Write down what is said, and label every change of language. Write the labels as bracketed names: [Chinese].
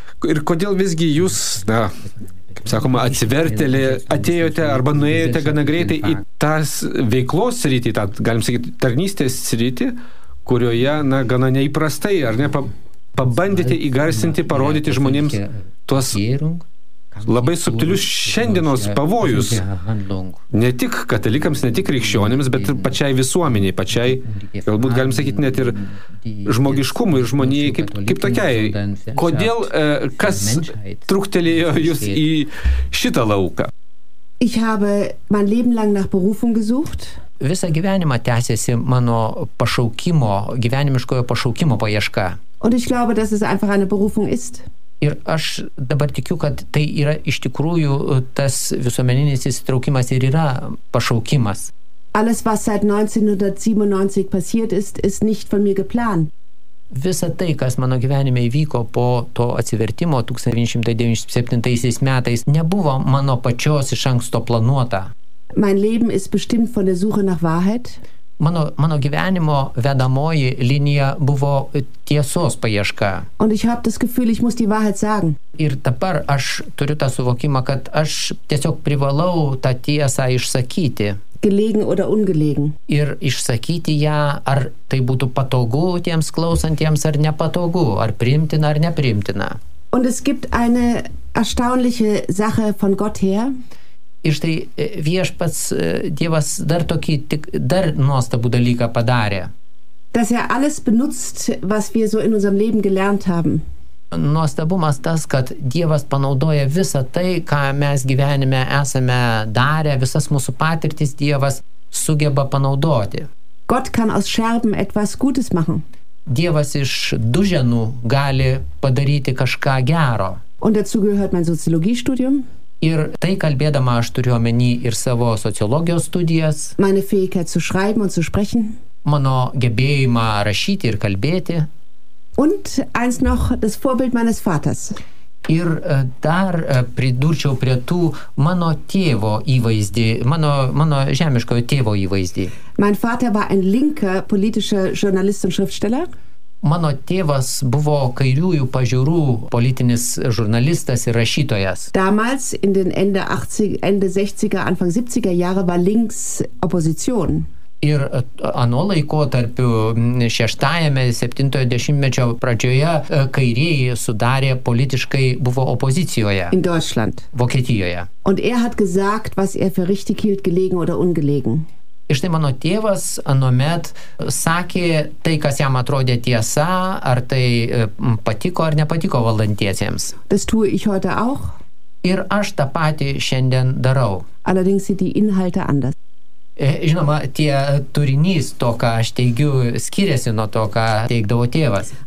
[Lithuanian] Ir kodėl visgi jūs, na, kaip sakoma, atsivertėlė, atėjote arba nuėjote gana greitai į tas veiklos sritį, tą, galim sakyti, tarnystės sritį, kurioje, na, gana neįprastai, ar ne, pabandėte įgarsinti, parodyti žmonėms tuos labai subtilius šiandienos pavojus, ne tik katalikams, ne tik krikščionėms, bet ir pačiai visuomeniai, pačiai, galbūt galim sakyti, net ir žmogiškumui ir žmonijai kaip tokiai. Kodėl, kas truktelėjo jūs į šitą lauką? [German] Ich habe mein Leben lang nach Berufung gesucht. [Lithuanian] Visą gyvenimą tęsėsi mano pašaukimo, gyvenimiškojo pašaukimo paieška. [German] Und ich glaube, dass es einfach eine Berufung ist. [Lithuanian] Ir aš dabar tikiu, kad tai yra iš tikrųjų tas visuomeninis įsitraukimas ir yra pašaukimas. [German] Alles, was seit 1997 passiert ist, ist nicht von mir geplant. [Lithuanian] Visa tai, kas mano gyvenime įvyko po to atsivertimo 1997 metais, nebuvo mano pačios iš anksto planuota. [German] Mein Leben ist bestimmt von der Suche nach Wahrheit. [Lithuanian] Mano gyvenimo vedamoji linija buvo tiesos paieška. [German] Und ich habe das Gefühl, ich muss die Wahrheit sagen. [Lithuanian] Ir dabar aš turiu tą suvokimą, kad aš tiesiog privalau tą tiesą išsakyti. [German] Gelegen oder ungelegen. [Lithuanian] Ir išsakyti ją, ar tai būtų patogu tiems klausantiems, ar nepatogu, ar priimtina, ar nepriimtina. [German] Und es gibt eine erstaunliche Sache von Gott her. [Lithuanian] Ir štai Viešpats Dievas dar tokį tik dar nuostabų dalyką padarė. [German] Dass er alles benutzt, was wir so in unserem Leben gelernt haben. [Lithuanian] Nuostabumas tas, kad Dievas panaudoja visą tai, ką mes gyvenime esame darę, visas mūsų patirtis Dievas sugeba panaudoti. [German] Gott kann aus Scherben etwas Gutes machen. [Lithuanian] Dievas iš duženų gali padaryti kažką gero. [German] Und dazu gehört mein Soziologiestudium. [Lithuanian] Ir tai kalbėdama aš turiu omeny ir savo sociologijos studijas. [German] Meine Fähigkeit zu schreiben und zu sprechen. [Lithuanian] Mano gebėjimą rašyti ir kalbėti. [German] Und eins noch, das Vorbild meines Vaters. [Lithuanian] Ir dar pridurčiau prie tų mano tėvo įvaizdį, mano žemiškojo tėvo įvaizdį. [German] Mein Vater war ein linker politischer Journalist und Schriftsteller. [Lithuanian] Mano tėvas buvo kairiųjų pažiūrų politinis žurnalistas ir rašytojas. [German] Damals in den Ende 60er, Anfang 70er Jahre war links Opposition. [Lithuanian] Ir ano laikotarpiu 6-ame, 7-ojo dešimtmečio pradžioje kairieji sudarė politiškai buvo opozicijoje. [German] In Deutschland. [Lithuanian] Vokietijoje. [German] Und er hat gesagt, was er für richtig hielt, gelegen oder ungelegen. [Lithuanian] Ir štai mano tėvas anuomet sakė tai, kas jam atrodė tiesa, ar tai patiko ar nepatiko valdantiesiems. [German] Das tue ich heute auch. [Lithuanian] Ir aš tą patį šiandien darau. [German] Allerdings sind die Inhalte anders. [Lithuanian] Žinoma, tie turinys to, ką aš teigiu, skiriasi nuo to, ką teikdavo tėvas.